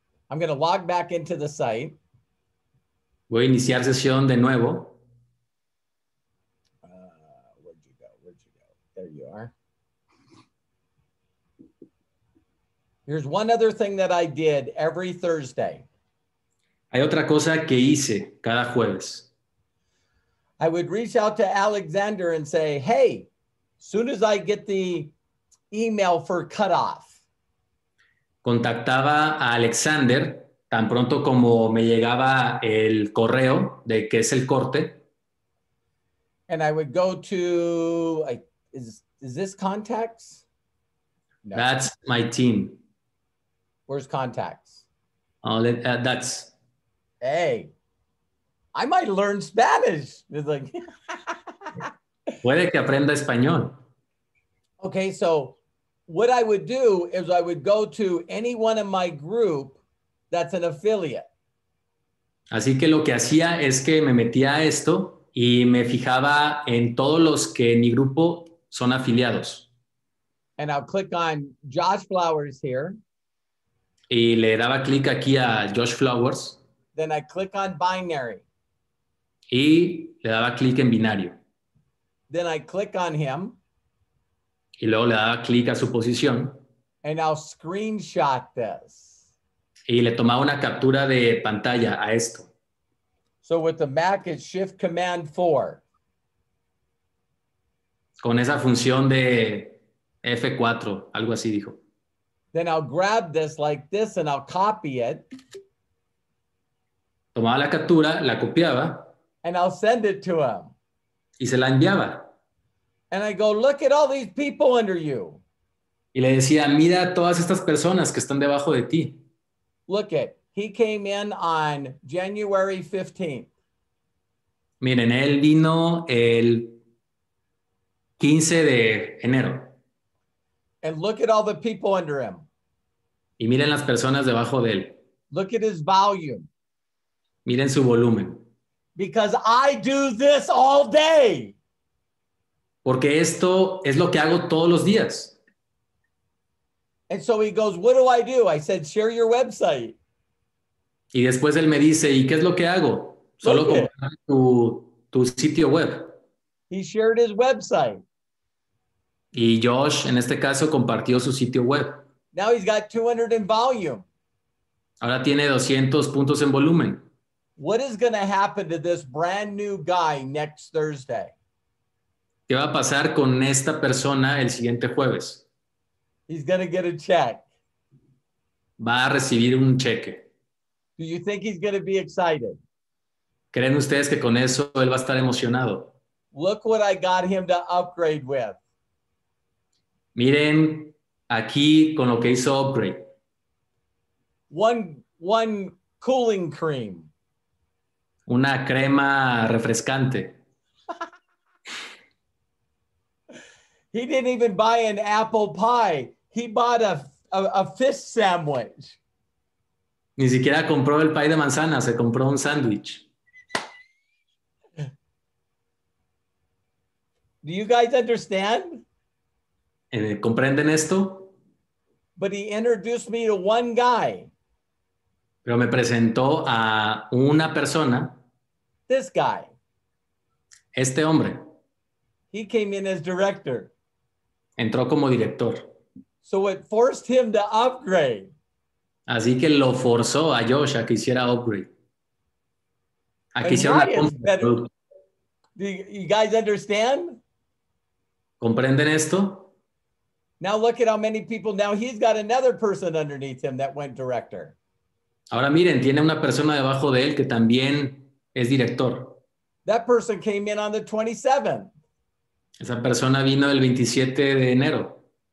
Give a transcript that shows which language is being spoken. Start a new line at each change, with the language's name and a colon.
English: I'm going to log back into the site.
Spanish: Voy a iniciar sesión de nuevo.
English: Where'd you go? There you are. Here's one other thing that I did every Thursday.
Spanish: Hay otra cosa que hice cada jueves.
English: I would reach out to Alexander and say, hey, soon as I get the email for cutoff.
Spanish: Contactaba a Alexander tan pronto como me llegaba el correo de que es el corte.
English: And I would go to, is this contacts? No. That's my team. Where's contacts? That's. Hey, I might learn Spanish. It's like,
Spanish: Puede que aprenda español.
English: Okay, so what I would do is I would go to anyone in my group that's an affiliate.
Spanish: Así que lo que hacía es que me metía a esto y me fijaba en todos los que en mi grupo son afiliados.
English: And I'll click on Josh Flowers here.
Spanish: Y le daba clic aquí a Josh Flowers.
English: Then I click on binary.
Spanish: Y le daba clic en binario.
English: Then I click on him.
Spanish: Y luego le daba clic a su posición.
English: And I'll screenshot this.
Spanish: Y le tomaba una captura de pantalla a esto.
English: So with the Mac, it's Shift Command 4.
Spanish: Con esa función de F4, algo así dijo.
English: Then I'll grab this like this and I'll copy it.
Spanish: Tomaba la captura, la copiaba.
English: And I'll send it to him.
Spanish: Y se la enviaba.
English: And I go, look at all these people under you.
Spanish: Y le decía, mira todas estas personas que están debajo de ti.
English: Look it, he came in on January 15th.
Spanish: Miren, él vino el 15 de enero.
English: And look at all the people under him.
Spanish: Y miren las personas debajo de él.
English: Look at his volume.
Spanish: Miren su volumen.
English: Because I do this all day.
Spanish: Porque esto es lo que hago todos los días.
English: And so he goes, what do? I said, share your website.
Spanish: Y después él me dice, ¿y qué es lo que hago? Solo compartir tu sitio web.
English: He shared his website.
Spanish: Y Josh, en este caso, compartió su sitio web.
English: Now he's got 200 in volume.
Spanish: Ahora tiene 200 puntos en volumen.
English: What is going to happen to this brand new guy next Thursday?
Spanish: ¿Qué va a pasar con esta persona el siguiente jueves?
English: He's going to get a check.
Spanish: Va a recibir un cheque.
English: Do you think he's going to be excited?
Spanish: ¿Creen ustedes que con eso él va a estar emocionado?
English: Look what I got him to upgrade with.
Spanish: Miren aquí con lo que hizo upgrade.
English: One cooling cream.
Spanish: Una crema refrescante.
English: He didn't even buy an apple pie. He bought a fish sandwich.
Spanish: Ni siquiera compró el pay de manzana, se compró un sándwich.
English: Do you guys understand?
Spanish: ¿Comprenden esto?
English: But he introduced me to one guy.
Spanish: Pero me presentó a una persona.
English: This guy.
Spanish: Este hombre.
English: He came in as director.
Spanish: Entró como director.
English: So it forced him to upgrade.
Spanish: Así que lo forzó a Josh a que hiciera upgrade. A que hiciera una compra.
English: Do you guys understand?
Spanish: ¿Comprenden esto?
English: Now look at how many people. Now he's got another person underneath him that went director.
Spanish: Ahora miren, tiene una persona debajo de él que también es director.
English: That person came in on the 27th.
Spanish: Esa persona vino el 27 de enero.